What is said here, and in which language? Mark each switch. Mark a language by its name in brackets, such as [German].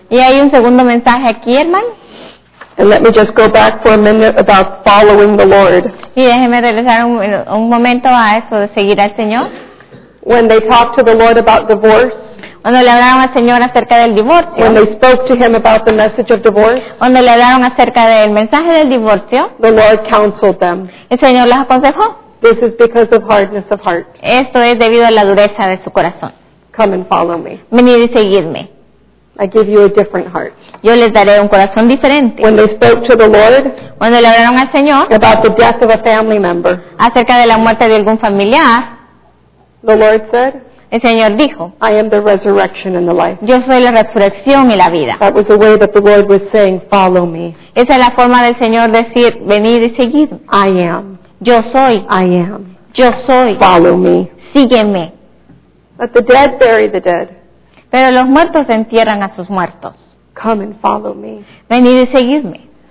[Spanish] Y hay un segundo mensaje aquí, hermano. [English] And let me just go back for a minute about following the Lord. [Spanish] Y déjeme regresar un momento a eso de seguir al Señor. [English] When they talked to the Lord about divorce. [Spanish] Cuando le hablaron al Señor acerca del divorcio. [English] When they spoke to him about the message of divorce. [Spanish] Cuando le hablaron acerca del mensaje del divorcio. [English] The Lord counseled them. [Spanish] El Señor les aconsejó. [English] This is because of hardness of heart. [Spanish] Esto es debido a la dureza de su corazón. [English] Come and follow me. [Spanish] Venid y seguidme. [English] I give you a different heart. [Spanish] Yo les daré un corazón diferente. [English] When they spoke to the Lord. [Spanish] Cuando le hablaron al Señor. [English] About the death of a family member. [Spanish] Acerca de la muerte de algún familiar. [English] The Lord said. [Spanish] El Señor dijo. [English] I am the resurrection and the life. [Spanish] Yo soy la resurrección y la vida. [English] That was the way that the Lord was saying, follow me. [Spanish] Esa es la forma del Señor decir, venid y seguidme. [English] I am. [Spanish] Yo soy. [English] I am. [Spanish] Yo soy. [English] Follow me. [Spanish] Sígueme. [English] Let the dead bury the dead. [Spanish] Pero los muertos entierran a sus muertos. [English] Come and follow me. [Spanish] Venid y seguidme.